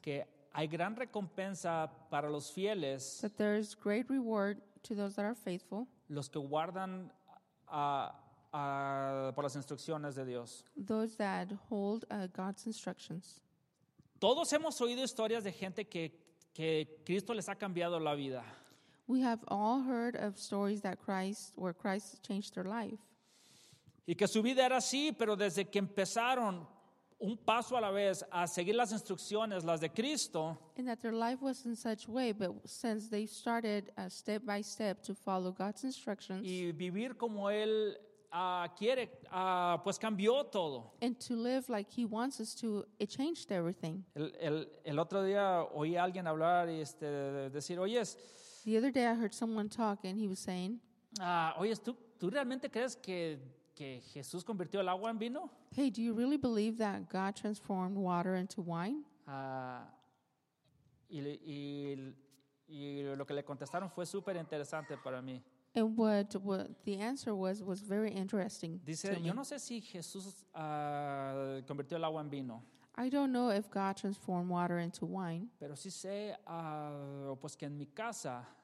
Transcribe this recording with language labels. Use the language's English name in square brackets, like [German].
[Spanish] Que hay gran recompensa para los fieles. [English] That there is great reward to those that are faithful. [Spanish] Los que guardan por las instrucciones de Dios. [English] Those that hold God's instructions. [Spanish] Todos hemos oído historias de gente que Cristo les ha cambiado la vida. [English] We have all heard of stories that where Christ changed their life. [Spanish] Y que su vida era así, pero desde que empezaron un paso a la vez a seguir las instrucciones, las de Cristo. [English] And that their life was in such way, but since they started step by step to follow God's instructions. [Spanish] Y vivir como Él quiere, cambió todo. [English] And to live like He wants us to, it changed everything. [Spanish] El otro día oí a alguien hablar y decir, oye, [English] the other day I heard someone talk and he was saying, [Spanish] oye, ¿tú realmente crees que Jesús convirtió el agua en vino? [English] Hey, do you really believe that God transformed water into wine? [Spanish] Y lo que le contestaron fue súper interesante para mí. [English] And what the answer was very interesting. [Spanish] Dice, [English] to me. [Spanish] Yo no sé si Jesús convirtió el agua en vino. [English] I don't know if God transformed water into wine. [Spanish] Pero sí sé, pues que en mi casa.